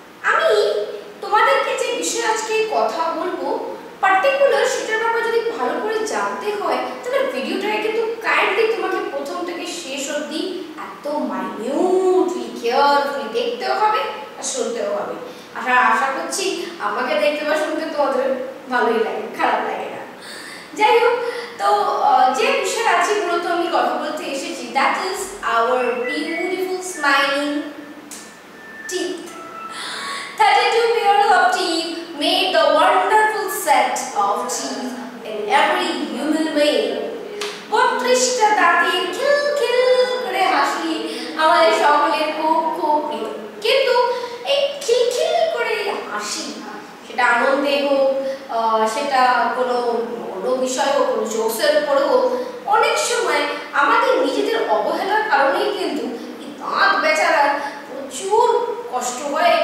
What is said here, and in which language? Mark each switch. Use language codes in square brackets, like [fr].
[bn] আমি তোমাদেরকে যে বিষয়ে আজকে কথা বলবো পার্টিকুলার, সেটার ব্যাপারে যদি ভালো করে জানতে হয় তাহলে ভিডিওটা কিন্তু কাইন্ডলি তোমাকে প্রথম থেকে শেষ অবধি এত মাইনিউটলি কেয়ারফুলি দেখতেও হবে আর শুনতেও হবে। আশা আশা করছি আমাকে দেখতে বা শুনতে তোমাদের ভালোই লাগে, খারাপ লাগে না। যাই হোক, তো যে বিষয়ে আজকে মূলত আমি কথা বলতে এসেছি, [en] That is our beautiful smiling teeth. 32 pairs of teeth made the wonderful set of teeth in every human male. [bn] 32 দাঁতের খিল খিল করে হাসি আমাদের সকলের খুব খুব প্রিয়। কিন্তু এই খিল খিল করে হাসি, সেটা আনন্দে হোক, সেটা কোনো অন্য বিষয় হোক, কোনো জোসের উপরে হোক, অনেক সময় আমাদের নিজেদের অবহেলার কারণেই কিন্তু এই দাঁত বেচারা প্রচুর কষ্ট হয়।